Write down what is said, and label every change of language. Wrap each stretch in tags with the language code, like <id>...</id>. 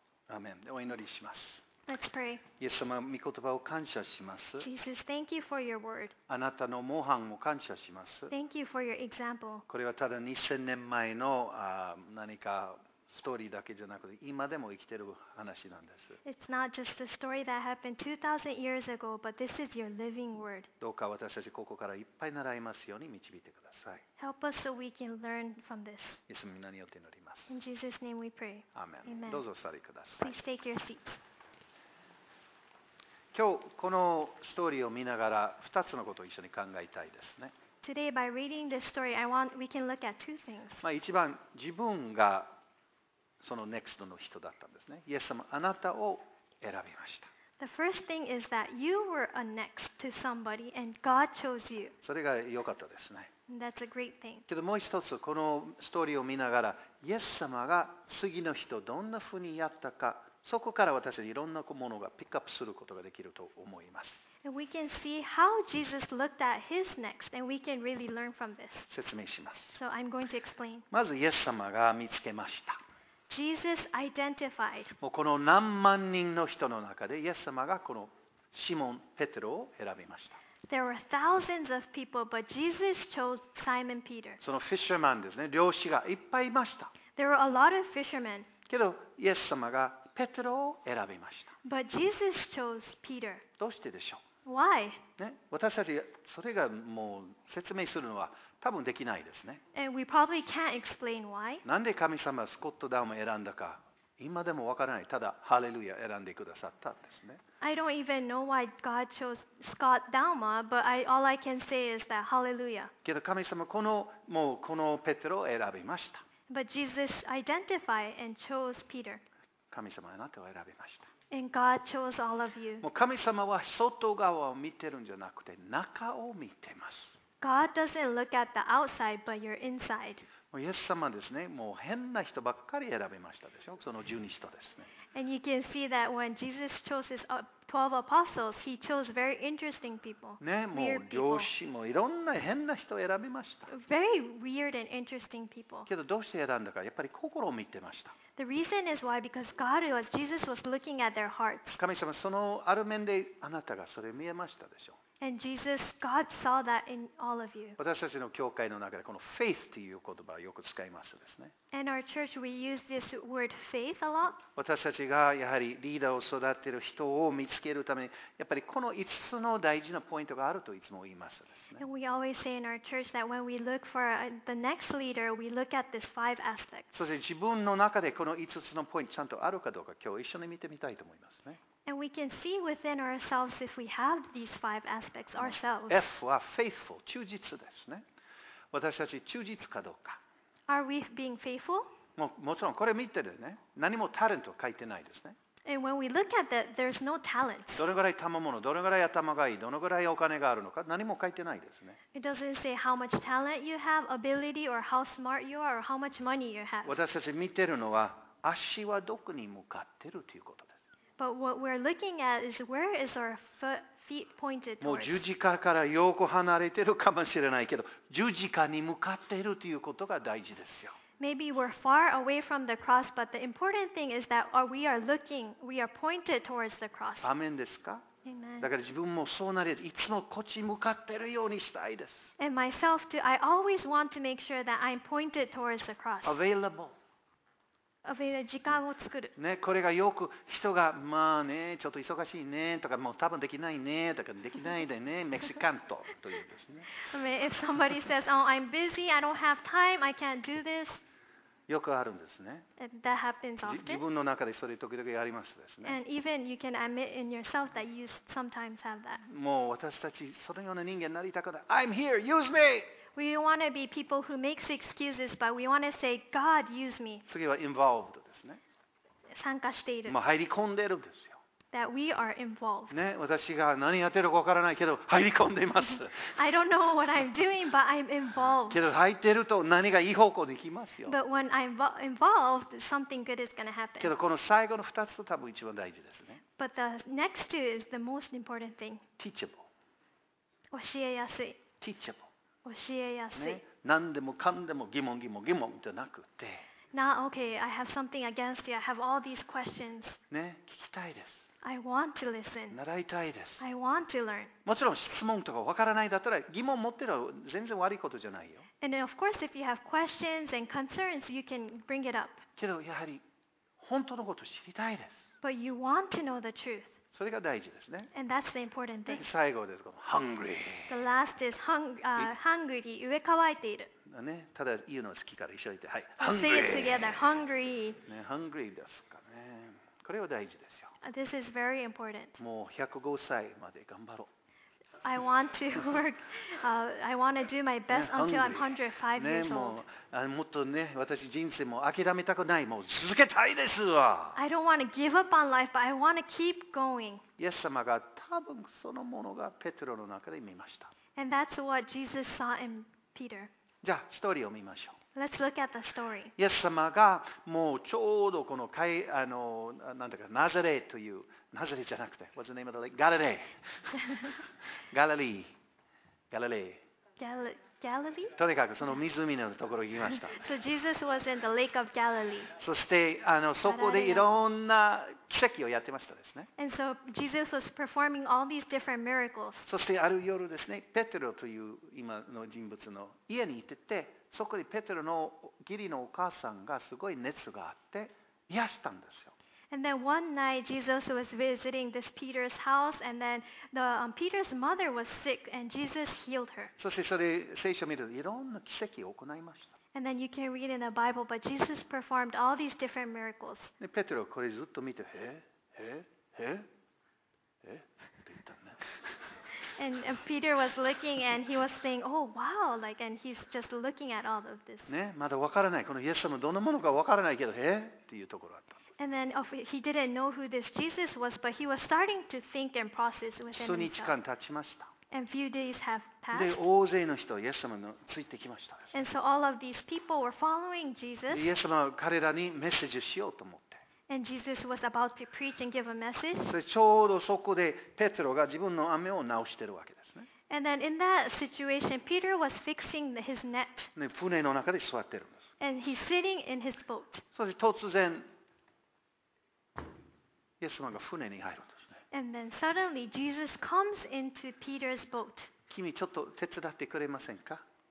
<ja>アーメン。お祈りします。</ja> <en>Let's pray.</en> <ja>イエス様、御言葉を感謝します。</ja> <en>Jesus, thank you for your word.</en> <ja>あなたの模範を感謝します。</ja> <en>Thank you for your example.</en> <ja>これはただ2000年前の何かストーリーだけじゃなくて今でも生きている話なんです。</ja> <en>It's not just a story that happened 2000 years ago, but this is your living word.</en> <ja>どうか私たちここからいっぱい習いますように導いてください。</ja> <en>Help us so we can learn from this.</en> <ja>イエス様によって祈ります。</ja> <en>In Jesus' name we pray. Amen.</en> <ja>どうぞお座りください。</ja> <en>Please take your seat.</en> <ja>今日このストーリーを見ながら2つのことを一緒に考えたいですね。</ja> <en>Today by reading this story, we can look at two things.</en> <ja>一番自分がそのネクストの人だったんですね。イエス様、あなたを選びました。</ja> <en>The first thing is that you were a next to somebody and God chose you.</en> <ja>それが良かったですね。</ja> <en>That's a great thing.</en> <ja>けどもう一つ、このストーリーを見ながら、イエス様が次の人どんなふうにやったか、そこから私はいろんなものがピックアップすることができると思います。</ja> <en>And we can see how Jesus looked at his next, and we can really learn from this.</en> <ja>説明します。</ja> <en>So I'm going to explain.</en> <ja>まずイエス様が見つけました。</ja> <en>Jesus identified.</en> <ja>もうこの何万人の人の中でイエス様がこのシモン・ペテロを選びました。</ja> <en>There were thousands of people, but Jesus chose Simon Peter.</en> <ja>そのフィッシュマンですね。漁師がいっぱいいました。</ja> <en>There were a lot of fishermen.</en> <ja>けどイエス様がペテロを選びました。</ja> <en>But Jesus chose Peter.</en> <ja>どうしてでしょう。</ja> <en>Why?</en> <ja>ね、私たちそれがもう説明するのは多分できないですね。</ja> <en>And we probably can't explain why.</en> <ja>なんで神様はスコット・ダウンを選んだか。今でもわからない。ただハレルヤ選んでくださったんですね。</ja> <en>I don't even know why God chose Scott Dalma, but all I can say is that hallelujah.</en> <ja>けど神様このもうこのペテロを選びました。</ja> <en>But Jesus identified and chose Peter.</en> <ja>神様あなたを選びました。</ja> <en>And God chose all of you.</en> <ja>もう神様は外側を見てるんじゃなくて中を見てます。</ja> <en>God doesn't look at the outside, but your inside.</en> <ja>イエス様ですね。もう変な人ばっかり選びましたでしょ。その十二使徒ですね。</ja> <en>And you can see that when Jesus chose his 12 apostles, he chose very interesting people.</en> <ja>ね、もう漁師もいろんな変な人を選びました。</ja> <en>Very weird and interesting people.</en> <ja>けどどうして選んだか、やっぱり心を見てました。</ja> <en>The reason is why because God was Jesus was looking at their hearts.</en> <ja>神様そのある面であなたがそれ見えましたでしょ。</ja> <en>And Jesus, God saw that in all of you.</en> <ja>私たちの教会の中でこの faith という言葉をよく使いますですね。</ja> <en>And our church, we use this word faith a lot.</en> <ja>私たちがやはりリーダーを育っている人を見つけるためにやっぱりこの5つの大事なポイントがあるといつも言いますですね。</ja> <en>And we always say in our church that when we look for the next leader, we look at these five aspects.</en> <ja>そして自分の中でこの5つのポイントちゃんとあるかどうか今日一緒に見てみたいと思いますね。</ja> <en>And we can see within ourselves if we have these five aspects ourselves.</en> <ja>F は faithful, 忠実ですね。私たち忠実かどうか。</ja> <en>Are we being faithful?</en> <ja>もちろんこれ見てるね。何もタレント書いてないですね。</ja> <en>And when we look at that, there's no talent.</en> <ja>どれぐらい賜物、どれぐらい頭がいい、どのぐらいお金があるのか、何も書いてないですね。</ja> <en>It doesn't say how much talent you have, ability, or how smart you are, or how much money you have.</en> <ja>私たち見てるのは足はどこに向かってるということです。</ja> <en>But what we're looking at is where is our feet pointed towards.</en> <ja>もう十字架からよく離れてるかもしれないけど、十字架に向かってるということが大事ですよ。</ja> <en>Maybe we're far away from the cross, but the important thing is that we are looking, we are pointed towards the cross.</en> <ja>アメンですか？</ja> <en>Amen.</en> <ja>だから自分もそうなれる、いつもこっち向かってるようにしたいです。</ja> <en>And myself too, I always want to make sure that I'm pointed towards the cross. Available.</en> <ja>時間を作る、ね、これがよく人がまあねちょっと忙しいねとかもう多分できないねとかできないでねメキシカンとというですね。</ja> <en>I mean, if somebody says, "Oh, I'm busy. I don't have time. I can't do this."</en> <ja>よくあるんですね。</ja> <en>That happens often.</en> <ja>自分の中でそれ時々ありますですね。</ja> <en>And even you can admit in yourself that you sometimes have that.</en> <ja>もう私たちそのような人間になりたくない。</ja> <en>I'm here. Use me. We want to be people who makes excuses, but we want to say, God, use me.</en> <ja>次は involved ですね。参加している。もう入り込んでるんですよ。</ja> <en>That we are involved.</en> <ja>ね、私が何やってるかわからないけど入り込んでいます。</ja> <en>I don't know what I'm doing, but I'm involved.</en> <ja>けど入ってると何がいい方向に行きますよ。</ja> <en>But when I'm involved, something good is going to happen.</en> <ja>けどこの最後の2つ多分一番大事ですね。</ja> <en>But the next two is the most important thing. Teachable.</en> <ja>教えやすい。</ja> <en>Teachable.</en> <ja>教えやすい、ね、何でもかんでも疑問疑問疑問じゃなくて</ja> <en>Not okay, I have something against you. I have all these questions.</en> <ja>ね、聞きたいです。</ja> <en>I want to listen.</en> <ja>習いたいです。</ja> <en>I want to learn.</en> <ja>もちろん質問とかわからないだったら疑問持ってるのは全然悪いことじゃないよ。</ja> <en>And of course, if you have questions and concerns, you can bring it up.</en> <ja>けどやはり本当のことを知りたいです。</ja> <en>But you want to know the truth.</en> <ja>それが大事ですね。</ja> <en>And that's the important thing.</en> <ja>最後です。Hungry.</ja> <en>The last is hungry.</en> <ja>上乾いている。ね、ただ言うの好きから一緒に言って、はい。</ja> <en>Say it together. Hungry.</en> <ja>ね、hungry ですかね。これは大事ですよ。</ja> <en>This is very important.</en> <ja>もう105歳まで頑張ろう。</ja> <en>I want to work. I want to do my best until I'm 105 years old.</en> <ja>ね、もう、もっとね、私人生も諦めたくない。もう続けたいですわ。</ja> <en>I don't want to give up on life, but I want to keep going.</en> <ja>イエス様が多分そのものがペテロの中で見ました。</ja> <en>And that's what Jesus saw in Peter.</en> <ja>じゃあストーリーを見ましょう。</ja> <en>Let's look at the story.</en> <ja>イエス様がもうちょうどこの海あのなんだかナザレという。ナザレじゃなくて、</ja> <en>What's the name of the lake?</en> <ja>ガリレー。ガリレー。ガリレー。</ja> <en>Galilee?</en> <ja>とにかくその湖のところに行きました。</ja> <en>So Jesus was in the Lake of Galilee.</en> <ja>そしてそこでいろんな奇跡をやってましたですね。</ja> <en>And so Jesus was performing all these different miracles.</en> <ja>そしてある夜ですね、ペテロという今の人物の家に行ってて、そこでペテロの義理のお母さんがすごい熱があって癒したんですよ。</ja> <en>And then one night Jesus was visiting this Peter's house and then the Peter's mother was sick and Jesus healed her.</en> <ja>そしてそれ聖書を見るといろんな奇跡を行いました。</ja> <en>And then you can read in the Bible, but Jesus performed all these different miracles.</en> <ja>でペテロはこれずっと見て、へえへえへえへって言ったね。</ja> <en>And Peter was looking and he was saying, oh wow, like, and he's just looking at all of this.</en> <ja>ねまだわからない、このイエス様どんなものかわからないけど、へえっていうところあった。</ja> <en>And then he didn't know who this Jesus was, but he was starting to think and process within himself.</en> <ja>数日間経ちました。</ja> <en>And few days have passed.</en> <ja>で、大勢の人はイエス様についてきました。</ja> <en>And so all of these people were following Jesus.</en> <ja>イエス様は彼らにメッセージしようと思って。</ja> <en>And Jesus was about to preach and give a message.</en> <ja>でちょうどそこでペテロが自分の飴を直しているわけですね。</ja> <en>And then in that situation, Peter was fixing his net.</en> <ja>で、船の中で座っているんです。</ja> <en>And he's sitting in his boat.</en> <ja>そして突然イエス様が船に入るんですね。</ja> <en>And then suddenly Jesus comes into Peter's boat.</en> <ja>君ちょっと手伝ってくれませんか？</ja>